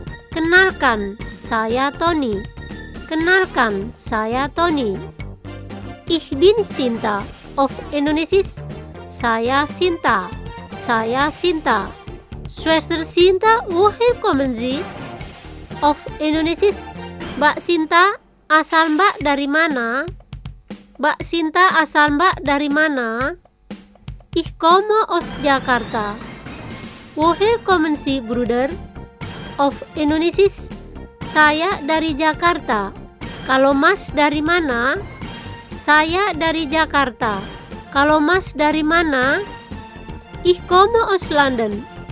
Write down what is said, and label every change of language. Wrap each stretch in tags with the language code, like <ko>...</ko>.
<id>Kenalkan, saya Toni. Kenalkan, saya Toni.</id> <de>Ich bin Sinta. Auf Indonesisch.</de> <id>Saya Sinta. Saya Sinta.</id> <de>Schwester Sinta, woher kommen Sie? Auf Indonesisch.</de> <id>Mbak Sinta, asal Mbak dari mana? Mbak Sinta, asal Mbak dari mana?</id> <de>Ich komme aus Jakarta. Woher kommen Sie, Bruder? Auf Indonesisch.</de> <id>Saya dari Jakarta. Kalau Mas dari mana? Saya dari Jakarta. Kalau Mas dari mana?</id> <de>Ich komme aus London.</de>